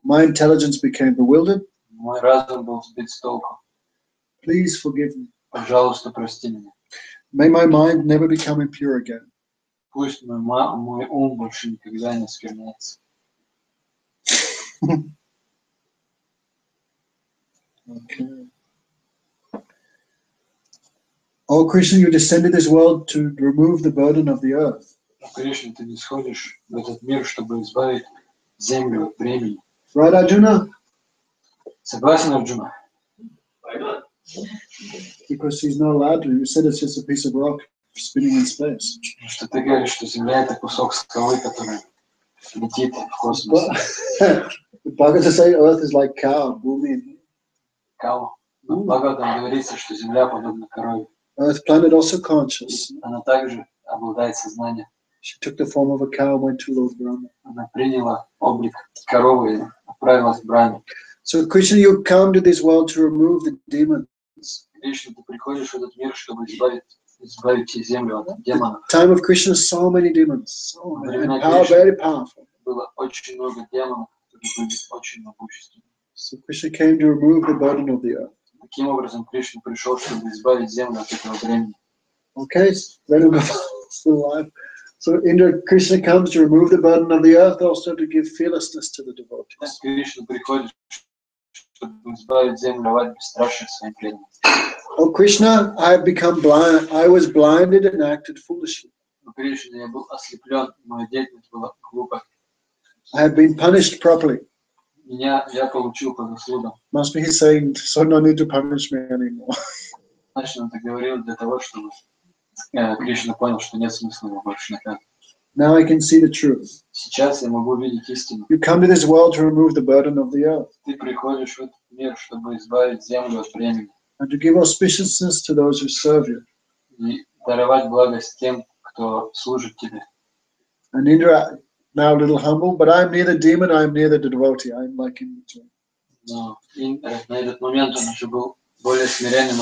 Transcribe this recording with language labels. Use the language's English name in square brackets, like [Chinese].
[English] My intelligence became bewildered. [Russian] Мой разум был сбит с толку. [English] Please forgive me. [Russian] Пожалуйста, прости меня. [English] May my mind never become impure again. [Russian] Пусть мой ум больше никогда не скрывается. [English] Okay. Oh, Krishna, you descended this world to remove the burden of the earth. [Russian] Krishna, ты не сходишь в этот мир, чтобы избавить землю от бремени. [English] Right, Arjuna? [Russian] Согласен, Арджуна? [English] Because he's not allowed to. You said it's just a piece of rock spinning in space. [Russian] Что ты говоришь, что земля это кусок скалы, который летит в космос? [English] The Bhagavad says earth is like cow, bhumi. Cow. [Russian] Но Bhagavad говорится, что земля подобна корове. [English] Earth planet also conscious. [Russian] Она также обладает сознанием. [English] She took the form of a cow and went to Lord Brahma. [Russian] Она приняла облик коровы и отправилась к Брахме. [English] So Krishna, you come to this world to remove the demons. [Russian] Krishna, ты приходишь в этот мир, чтобы избавить землю от демонов. [English] Time of Krishna, so many demons. Very powerful. [Russian] Было очень много демонов, которые были очень могущественны. [English] So Krishna came to remove the burden of the earth. [Russian] Таким образом Кришна пришел, чтобы избавить землю от этого бремени. [English] Okay, then we'll go back to life. So Indra, Krishna comes to remove the burden of the earth, also to give fearlessness to the devotees. [Russian] Krishna приходит, чтобы избавить землю от бесстрашия своим преданным. [English] Oh Krishna, I have become blind. I was blinded and acted foolishly. [Russian] Oh Krishna, я был ослеплен, моя деятельность была глупа. [English] I have been punished properly. [Russian] Я получил по заслугам. [English] Must be he saying, so no need to punish me anymore. [Russian] Значит, он так говорил для того, чтобы Кришна понял, что нет смысла его больше наказывать. [English] Now I can see the truth. [Russian] Сейчас я могу видеть истину. [English] You come to this world to remove the burden of the earth. [Russian] Ты приходишь в этот мир, чтобы избавить землю от бремени. [English] And to give auspiciousness to those who serve you. [Russian] И даровать благость тем, кто служит тебе. [English] And Indra, now a little humble, but I'm neither demon, I'm neither the devotee, I'm like in between. [Russian] Но Индра на этот момент он уже был более смиренным.